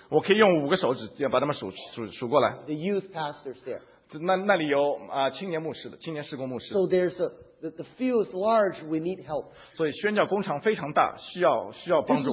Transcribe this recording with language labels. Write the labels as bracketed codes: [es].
[zh] 我可以用五个手指把他们数过来。 [en] The youth pastors there. [zh] 那里有青年牧师的青年事工牧师。 [en] So there's the field is large. We need help. [zh] 所以宣教工厂非常大，需要帮助。